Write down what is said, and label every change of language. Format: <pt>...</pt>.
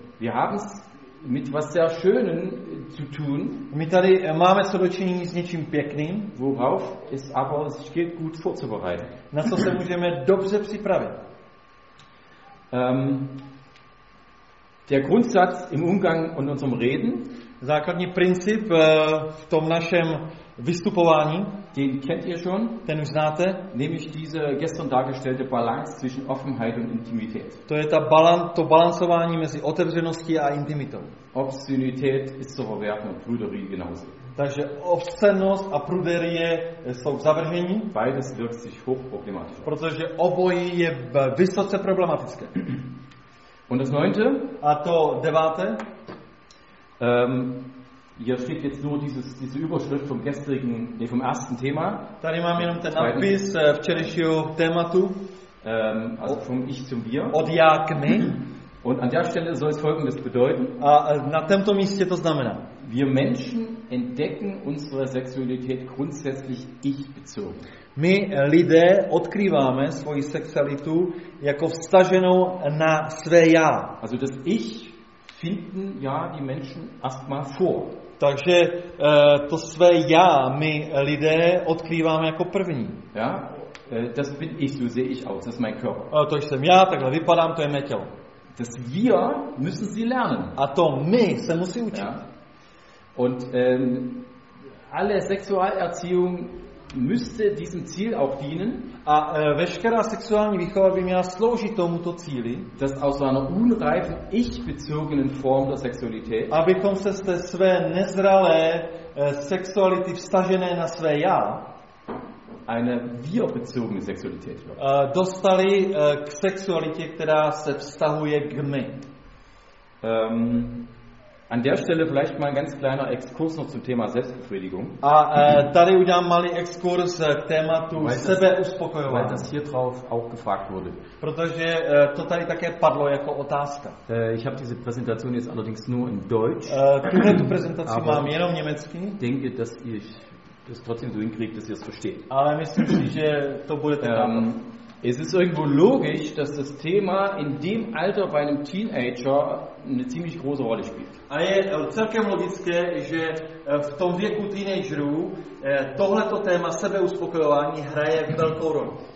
<de>Wir haben es mit was sehr Schönen zu tun.</de> <cs>My tady máme co dočinění s něčím pěkným.</cs> <de>Worauf es aber sich geht gut vorzubereiten.</de> <cs>Na co se můžeme dobře připravit.</cs> <de>Der Grundsatz im Umgang und unserem Reden,</de> <cs>základní princip v tom našem vystupování,</cs> <de>den kennt ihr schon,</de> <cs>ten už znáte,</cs> <de>nämlich diese gestern dargestellte Balance zwischen Offenheit und Intimität.</de> <cs>To je ta to balancování mezi otevřeností a intimitou.</cs> <de>Obszönität ist zur Verwerfung und Pruderie genauso.</de> <cs>Takže obscenost a pruderie jsou v zavržení.</cs> <de>Beides wirkt sich hoch problematisch.</de> <cs>Protože obojí je vysoce problematické.</cs> <de>Und das neunte?</de> <cs>A to deváté?</cs> <de>Hier steht jetzt nur diese Überschrift vom gestrigen, nee, vom ersten Thema.</de> <cs>Tady mám jenom ten nápis včerejšího tématu.</cs> <de>Also vom Ich zum Wir.</de> <cs>Od já k my.</cs> <de>Und an der Stelle soll es Folgendes bedeuten.</de> <cs>A na tomto místě to znamená.</cs> <de>Wir Menschen entdecken unsere Sexualität grundsätzlich ich-bezogen.</de> <cs>My lidé odkrýváme svoji sexualitu jako vztaženou na své já.</cs> <de>Also das Ich finden ja die Menschen erstmal vor.</de> <cs>Takže to své já my lidé odkrýváme jako první.</cs> <de>Ja, das bin ich, so sehe ich aus, das ist mein Körper.</de> <cs>To jsem já, takhle vypadám, to je mé tělo.</cs> <de>Das Wir müssen sie lernen.</de> <cs>A to my se musí učit. Ja.</cs> <de>Und alle Sexualerziehung müsste diesem Ziel auch dienen.</de> <cs>A veškerá sexuální výchova by měla sloužit tomuto cíli,</cs> <de>dass aus einer unreifen ich-bezogenen Form der Sexualität,</de> <cs>abychom se z té své nezralé sexuality vztažené na své já,</cs> <de>eine wir-bezogene Sexualität wird.</de> <cs>Dostali k sexualitě, která se vztahuje k my.</cs> <de>An der Stelle vielleicht mal ein ganz kleiner Exkurs noch zum Thema Selbstbefriedigung.</de> <cs>Tady udělám malý exkurs k tématu sebeuspokojování.</cs> <de>Weil das hier drauf auch gefragt wurde.</de> <cs>Protože to tady také padlo jako otázka.</cs> <de>Ich habe diese Präsentation jetzt allerdings nur in Deutsch.</de> <cs>Tuhle tu prezentaci mám jenom německy.</cs> <de>Denke, dass ich das trotzdem so hinkriege, dass ihr es versteht.</de> <cs>Ale myslím si, že to bude tak.</cs> <de>Es ist irgendwo logisch, dass das Thema in dem Alter bei einem Teenager eine ziemlich große Rolle spielt.</de> <cs>A je celkem logické, že v tom věku teenagerů tohleto téma sebeuspokojování hraje velkou roli.</cs>